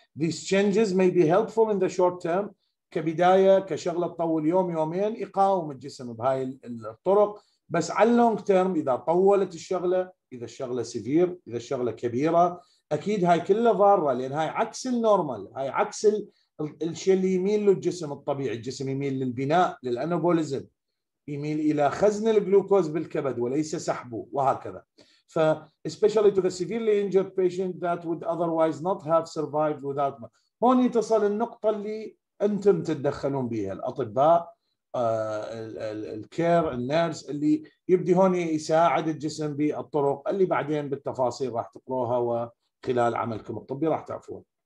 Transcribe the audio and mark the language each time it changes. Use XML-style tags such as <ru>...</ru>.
<en>These changes may be helpful in the short term</en> <ar>كبداية كشغلة تطول يوم يومين يقاوم الجسم بهاي الطرق، بس على long term إذا طولت الشغلة، إذا الشغلة سفير، إذا الشغلة كبيرة، أكيد هاي كلها ضارة، لأن هاي عكس النورمال، هاي عكس الشيء اللي يميل له الجسم الطبيعي. الجسم يميل للبناء للأنابوليزم، يميل الى خزن الجلوكوز بالكبد وليس سحبه وهكذا.</ar> <en>ف especially to the severely injured patient that would otherwise not have survived without.</en> <ar>هون يتصل النقطه اللي انتم تتدخلون بها الاطباء الكير النيرس اللي يبدي هون يساعد الجسم بالطرق اللي بعدين بالتفاصيل راح تقروها وخلال عملكم الطبي راح تعرفون.</ar>